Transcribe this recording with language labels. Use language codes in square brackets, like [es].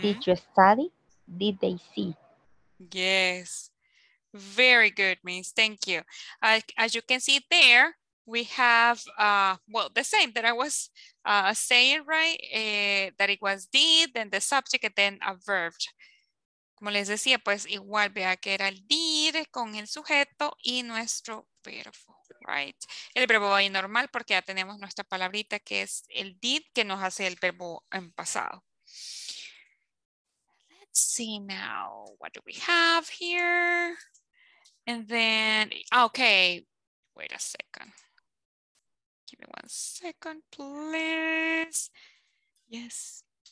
[en] Did you study? Did they see? Yes, very good, Miss, thank you. As you can see there, we have, well, the same that I was saying, right? That it was did, then the subject, and then a verb. [es] Como les decía, pues igual, vea que era el did con el sujeto y nuestro verbo, right? El verbo ahí normal porque ya tenemos nuestra palabrita que es el did que nos hace el verbo en pasado. [en] Let's see now, what do we have here? And then, okay, wait a second. Give me 1 second, please. Yes.